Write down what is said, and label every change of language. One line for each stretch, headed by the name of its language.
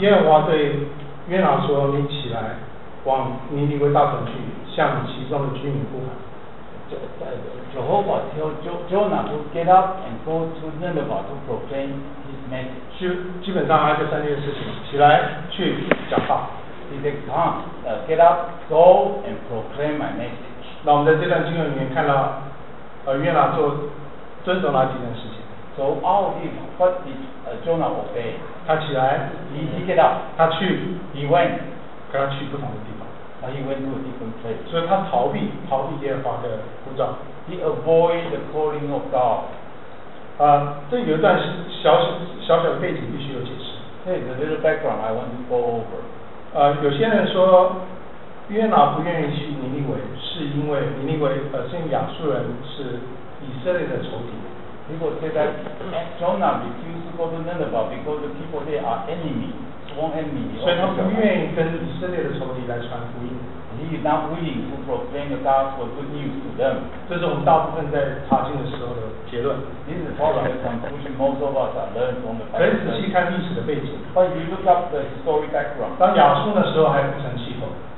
Chinese: 耶和华对约拿说：“你起来，往尼尼微大城去，向其中的居民呼喊。
English: ”Jehovah told Jonah to get up and go to Nineveh to proclaim his message.
Chinese: 基本上还是三件事情：起来，去讲道。
English: He said, "Come, get up, go and proclaim my message."
Chinese: 那我们在这段经文里面看到。约拿做遵守哪几件事情
English: ？So all of him, what did Jonah obey?
Chinese: 他起来
English: ，he get up.
Chinese: 他去
English: ，he went.
Chinese: 跟他去不同的地方
English: ，he went to a different place.
Chinese: 所以他逃避耶和华的呼召
English: ，he avoid the calling of God.
Chinese: 这有一段小小的背景必须有解释。
English: Hey, the little background I want to go over.
Chinese: 有些人说。约拿不愿意去尼尼微，是因为尼尼微本身亚述人是以色列的仇敌。如果现在
English: Jonah refuses to go to Nineveh because the people there are enemy, sworn enemy.
Chinese: 所以他不愿意跟以色列的仇敌来传福音。
English: He is not willing to proclaim the gospel good news to them.
Chinese: 这是我们大部分在查经的时候的结论。
English: This is probably the conclusion most of us are learned from the Bible.
Chinese: 可以仔细看历史的背景。
English: But you look up the historic background.
Chinese: 当亚述的时候还不成气候。